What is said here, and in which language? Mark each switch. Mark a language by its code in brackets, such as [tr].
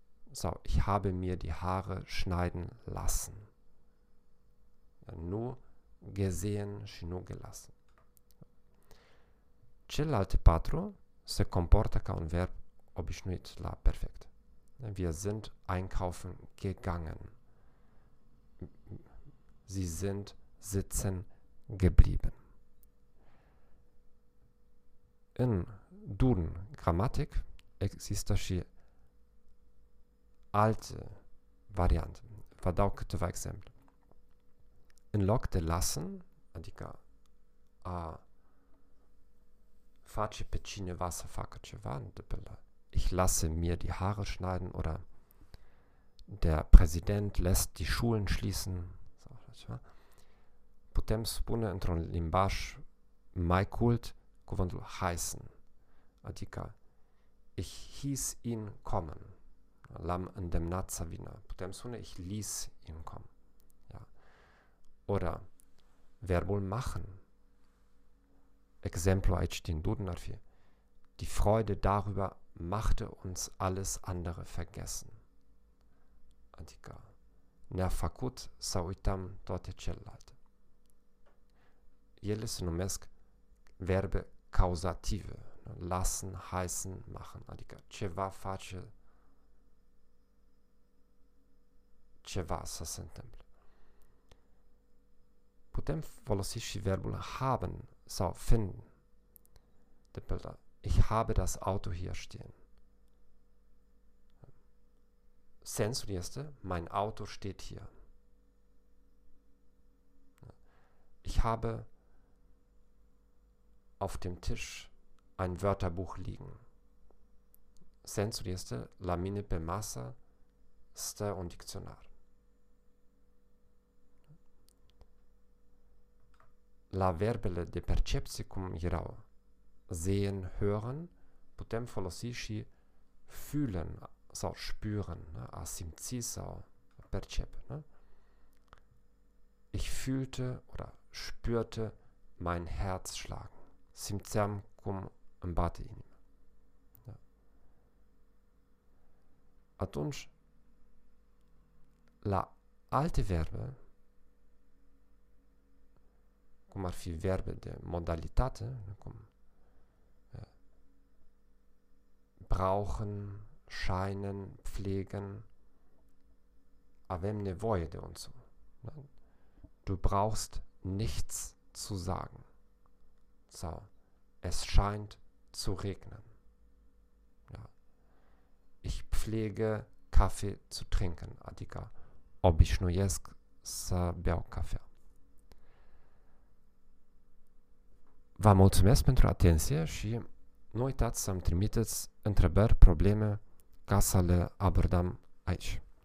[ro] Sau, [de] ich habe mir die Haare schneiden lassen. [ro] Nu gesehen și nu gelassen. Celelalte patru se comportă ca un verb obișnuit la perfect. [de] Wir sind einkaufen gegangen. Sie sind sitzen geblieben. [ro] În Duden-Grammatik există și alte variante. Vă dau câteva exemple. În loc de lassen, adică a face pe cineva să facă ceva, [de] ich lasse mir die Haare schneiden oder der Präsident lässt die Schulen schließen, [ro] putem spune într-un limbaj mai cult cuvântul heißen, adică [de] ich hieß ihn kommen, [ro] l-am îndemnat să vină, putem spune [de] ich ließ ihn kommen, ja. [ro] Oder verbul machen. Exemplu aici din Duden ar fi [de] Die Freude darüber machte uns alles andere vergessen. [ro] Adică ne-a făcut să uităm toate celelalte. Ele se numesc verbe cauzative. Lassen, heißen, machen. Adică ceva face ceva să se întâmple. Putem folosi și verbul haben sau finden. [de] Ich habe das Auto hier stehen. [ro] Sensul este, [de] mein Auto steht hier. Ich habe auf dem Tisch ein Wörterbuch liegen. [ro] Sensul este, la mine pe masă stă un dicționar. La verbele de percepție cum erau. Sehen, hören, putem folosi și fühlen sau spüren, a simți sau percepe. Ne? [de] Ich fühlte oder spürte mein Herz schlagen. [ro] Simțeam cum îmi bate inima. [de] Ja. [ro] Atunci, la alte verbe, cum ar fi verbe de modalitate, cum brauchen, scheinen, pflegen, avem nevoie de unsu. [de] Du brauchst nichts zu sagen. So, es scheint zu regnen. Ja. Ich pflege, Kaffee zu trinken. [ro] Adică, obișnuiesc să beau cafea. Vă mulțumesc pentru atenție și nu uitați să-mi trimiteți întrebări, probleme, ca să le abordăm aici.